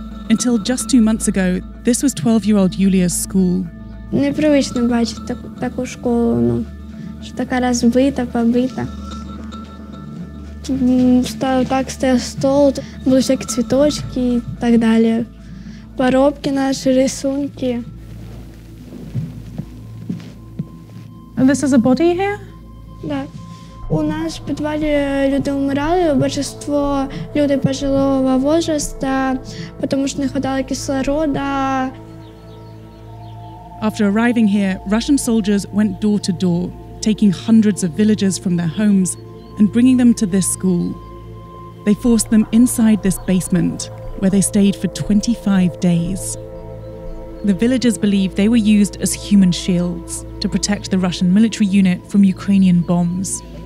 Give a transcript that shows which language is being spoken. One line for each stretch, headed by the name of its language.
English: Until just 2 months ago, this was 12-year-old Yulia's school.
Ukrainian: Непривично бачити таку школу, ну, що така розбита, побита. Стало так, стояв стол, були всякі цвіточки і так далі. Поробки наші, рисунки.
English: And this is a body here?
Russian: Да.
Ukrainian: У нас в підвалі люди вмирали, більшість люди
Russian: пожилого возраста,
Ukrainian: тому що
Russian: не хватало кислорода.
English: After arriving here, Russian soldiers went door to door, taking hundreds of villagers from their homes and bringing them to this school. They forced them inside this basement, where they stayed for 25 days. The villagers believe they were used as human shields to protect the Russian military unit from Ukrainian bombs.